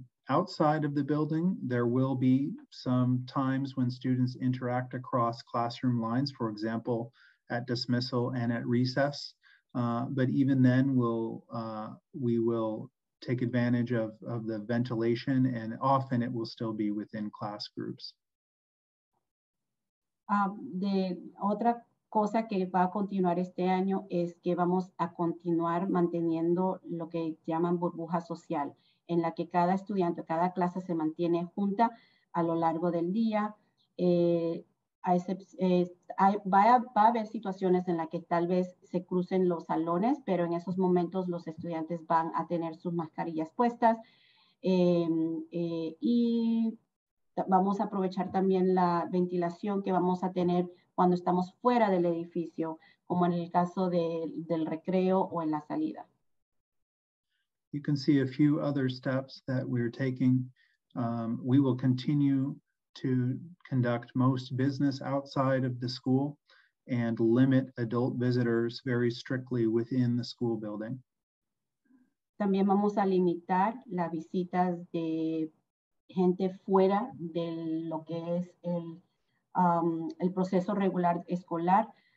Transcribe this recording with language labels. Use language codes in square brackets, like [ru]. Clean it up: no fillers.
[en] Outside of the building, there will be some times when students interact across classroom lines, for example, at dismissal and at recess. But even then, we will take advantage of the ventilation, and often it will still be within class groups. [es] De otra cosa que va a continuar este año es que vamos a continuar manteniendo lo que llaman burbuja social, en la que cada estudiante, cada clase se mantiene junta a lo largo del día. Va a haber situaciones en las que tal vez se crucen los salones, pero en esos momentos los estudiantes van a tener sus mascarillas puestas. Vamos a aprovechar también la ventilación que vamos a tener cuando estamos fuera del edificio, como en el caso del recreo o en la salida. [en] You can see a few other steps that we're taking. We will continue to conduct most business outside of the school and limit adult visitors very strictly within the school building. [es] También vamos a limitar las visitas de gente fuera de lo que es el proceso regular escolar.